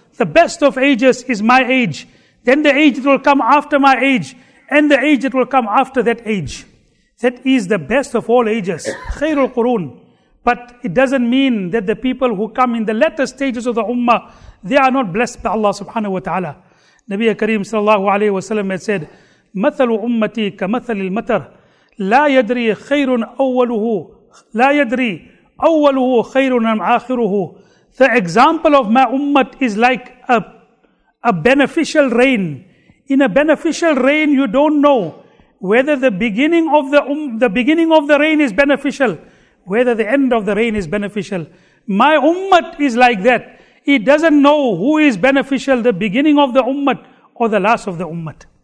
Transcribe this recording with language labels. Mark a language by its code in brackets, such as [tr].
[en] The best of ages is my age. Then the age that will come after my age. And the age that will come after that age. That is the best of all ages. [ar] خَيْرُ الْقُرُونِ. [en] But it doesn't mean that the people who come in the latter stages of the ummah, they are not blessed by Allah subhanahu wa ta'ala. [ar] Nabi Karim sallallahu alayhi wa sallam had said, مَثَلُ أُمَّتِي كَمَثَلِ الْمَتَرِ لَا يَدْرِي خَيْرٌ أَوَّلُهُ لَا يَدْرِي أَوَّلُهُ خَيْرٌ أَمْ آخِرُهُ. [en] The example of my ummah is like a beneficial rain. In a beneficial rain, you don't know whether the beginning of the rain is beneficial, whether the end of the rain is beneficial. My ummah is like that. It doesn't know who is beneficial, the beginning of the ummah or the last of the ummah.